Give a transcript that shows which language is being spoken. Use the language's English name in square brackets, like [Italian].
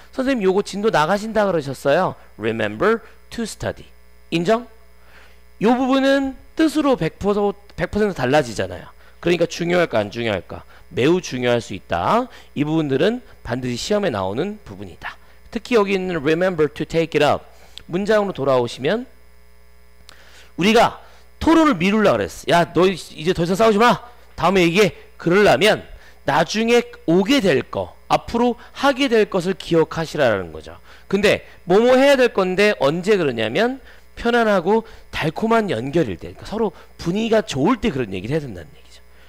[Korean] 선생님, 요거 진도 나가신다 그러셨어요. [English] Remember to study. [Korean] 인정? 요 부분은 뜻으로 100% 달라지잖아요. 그러니까 중요할까, 안 중요할까? 매우 중요할 수 있다. 이 부분들은 반드시 시험에 나오는 부분이다. 특히 여기 있는 [English] remember to take it up. [Korean] 문장으로 돌아오시면, 우리가 토론을 미룰라 그랬어. 야, 너 이제 더 이상 싸우지 마! 다음에 얘기해. 그러려면, 나중에 오게 될 거, 앞으로 하게 될 것을 기억하시라라는 거죠. 근데, 뭐뭐 해야 될 건데, 언제 그러냐면, 편안하고 달콤한 연결일 때, 그러니까 서로 분위기가 좋을 때 그런 얘기를 해야 된다는 얘기죠.